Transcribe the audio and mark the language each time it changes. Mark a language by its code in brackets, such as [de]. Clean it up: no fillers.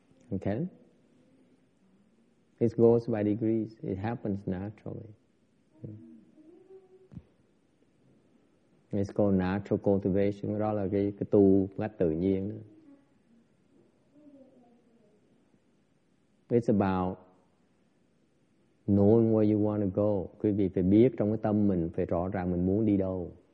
[en] Okay. It goes by degrees. It happens naturally. It's called natural cultivation. [vi] Đó là cái tu cách tự nhiên. [en] It's about knowing where you want to go. [vi] Quý vị phải biết trong cái tâm mình phải rõ ràng mình muốn đi đâu.